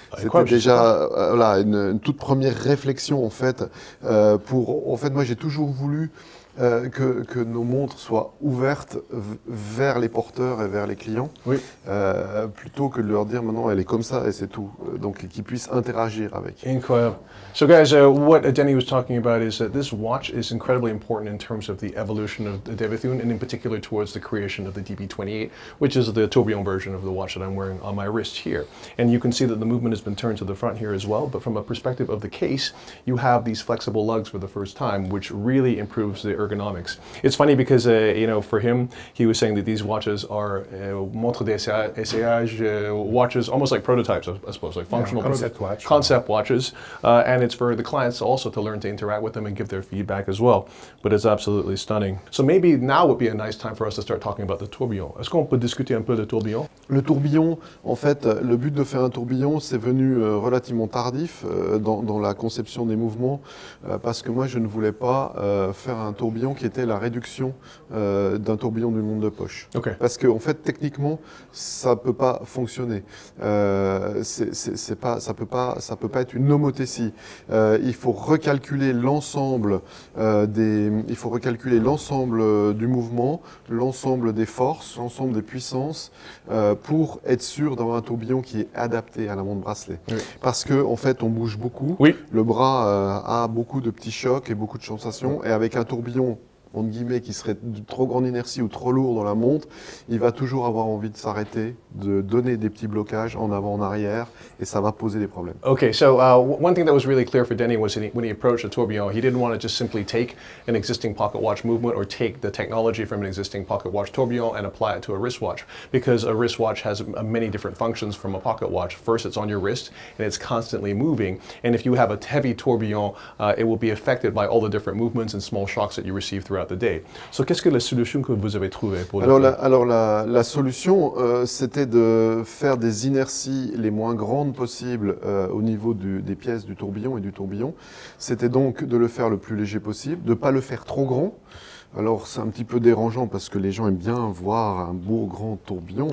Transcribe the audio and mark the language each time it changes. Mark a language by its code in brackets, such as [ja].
[fr] C'était déjà voilà, une toute première réflexion en fait. Moi j'ai toujours voulu que nos montres soient ouvertes vers les porteurs et vers les clients, oui, plutôt que de leur dire maintenant elle est comme ça et c'est tout, donc qu'ils puissent interagir avec. Incroyable. [en] So guys, what Denny was talking about is that this watch is incredibly important in terms of the evolution of the Debethune, and in particular towards the creation of the DB28, which is the tourbillon version of the watch that I'm wearing on my wrist here. And you can see that the movement has been turned to the front here as well, but from a perspective of the case, you have these flexible lugs for the first time, which really improves the ergonomics. It's funny because, you know, for him, he was saying that these watches are [fr] montres d'essayage, [en] watches almost like prototypes, I suppose, like functional concept watches. And it's for the clients also to learn to interact with them and give their feedback as well. But it's absolutely stunning. So maybe now would be a nice time for us to start talking about the tourbillon. [fr] Est-ce qu'on peut discuter un peu de tourbillon? Le tourbillon, en fait, le but de faire un tourbillon, c'est venu relativement tardif dans la conception des mouvements, parce que moi, je ne voulais pas faire un tourbillon qui était la réduction d'un tourbillon du monde de poche. Okay. Parce que, en fait, techniquement, ça ne peut pas fonctionner. Ça ne peut pas être une homothétie. Il faut recalculer l'ensemble du mouvement, l'ensemble des forces, l'ensemble des puissances pour être sûr d'avoir un tourbillon qui est adapté à la montre bracelet. Oui. Parce que en fait, on bouge beaucoup. Oui. Le bras a beaucoup de petits chocs et beaucoup de sensations. Et avec un tourbillon entre guillemets, qui serait de trop grande inertie ou trop lourd dans la montre, il va toujours avoir envie de s'arrêter, de donner des petits blocages en avant, en arrière, et ça va poser des problèmes. [en] Okay, so one thing that was really clear for Denny was when he approached the tourbillon, he didn't want to just simply take an existing pocket watch movement or take the technology from an existing pocket watch tourbillon and apply it to a wristwatch, because a wristwatch has many different functions from a pocket watch. First, it's on your wrist, and it's constantly moving, and if you have a heavy tourbillon, it will be affected by all the different movements and small shocks that you receive throughout the day. [fr] So, qu'est-ce que la solution que vous avez trouvée pour alors, la solution, c'était de faire des inerties les moins grandes possibles au niveau des pièces du tourbillon et du tourbillon. C'était donc de le faire le plus léger possible, de ne pas le faire trop grand. Alors, c'est un petit peu dérangeant parce que les gens aiment bien voir un beau grand tourbillon.